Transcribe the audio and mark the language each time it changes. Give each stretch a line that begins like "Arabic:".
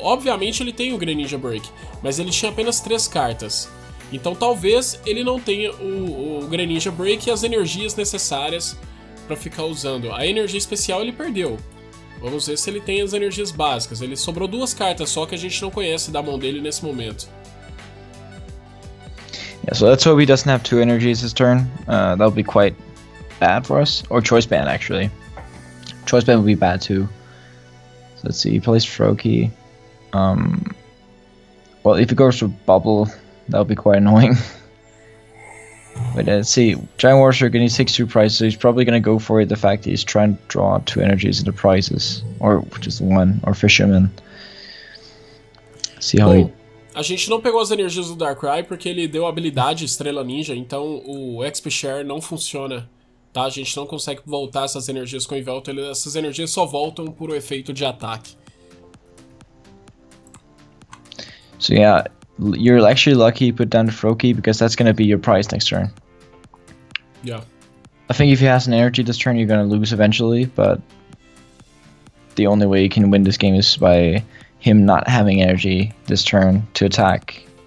Portuguese: Obviamente ele tem o Greninja Break, mas ele tinha apenas 3 cartas. Então talvez ele não tenha o Greninja Break e as energias necessárias pra ficar usando. A energia especial ele perdeu. Vamos ver se ele tem as energias básicas. Ele sobrou 2 cartas só que a gente não conhece da mão dele nesse momento.
English: Yeah, so let's hope he doesn't have 2 energies this turn. That'll be quite bad for us. Or Choice Band, actually. Choice Band would be bad, too. So let's see, he plays Froakie. Well, if he goes for Bubble, that'll be quite annoying. But let's see, Giant Warrior can he take 2 prizes, so he's probably gonna go for it, the fact that he's trying to draw 2 energies into prizes. Or just 1, or Fisherman. See how he...
Portuguese: A gente não pegou as energias do Darkrai porque ele deu a habilidade Estrela Ninja, então o XP Share não funciona, tá? A gente não consegue voltar essas energias com o Yveltal, essas energias só voltam por o efeito de ataque.
English: So yeah, you're actually lucky you put down the Froakie because that's gonna be your prize next turn. Yeah. I think if he has an energy this turn you're gonna lose eventually, but the only way you can win this game is by him not having energy this turn to attack.